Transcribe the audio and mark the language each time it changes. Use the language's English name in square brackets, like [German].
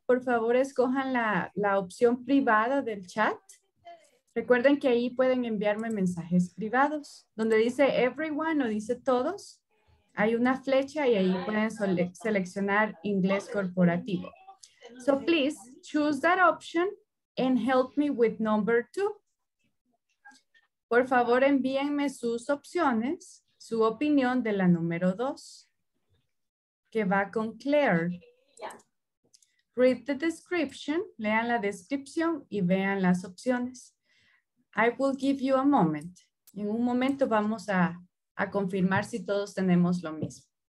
[Spanish] Por favor, escojan la opción privada del chat. Recuerden que ahí pueden enviarme mensajes privados. Donde dice everyone o dice todos, hay una flecha y ahí pueden seleccionar inglés corporativo. [English] So please choose that option and help me with number two. [Spanish] Por favor, envíenme sus opciones, su opinión de la número dos, que va con Claire. [English] Read the description, [Spanish] lean la descripción y vean las opciones. [English] I will give you a moment. [Spanish] En un momento vamos a confirmar si todos tenemos lo mismo.